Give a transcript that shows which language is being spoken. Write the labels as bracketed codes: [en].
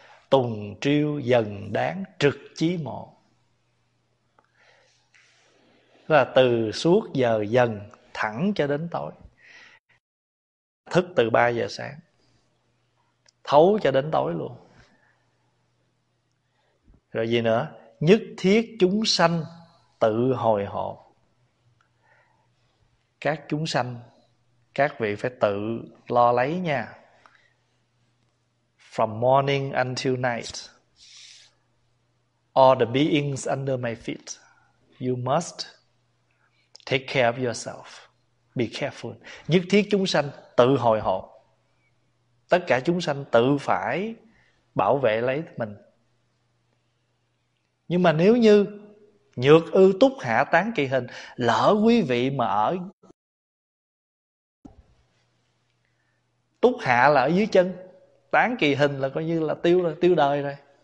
[vi] Tùng triêu dần đáng trực chí mộ, là từ suốt giờ dần thẳng cho đến tối, thức từ 3 giờ sáng thấu cho đến tối luôn. Rồi gì nữa? Nhất thiết chúng sanh tự hồi hộ, các chúng sanh các vị phải tự lo lấy nha. [en] From morning until night, all the beings under my feet, you must take care of yourself. Be careful. [vi] Nhất thiết chúng sanh tự hồi hộ. Tất cả chúng sanh tự phải bảo vệ lấy mình. Nhưng mà nếu như nhược ư túc hạ tán kỳ hình, lỡ quý vị mà ở túc hạ là ở dưới chân, tán kỳ hình là coi như là tiêu đời rồi.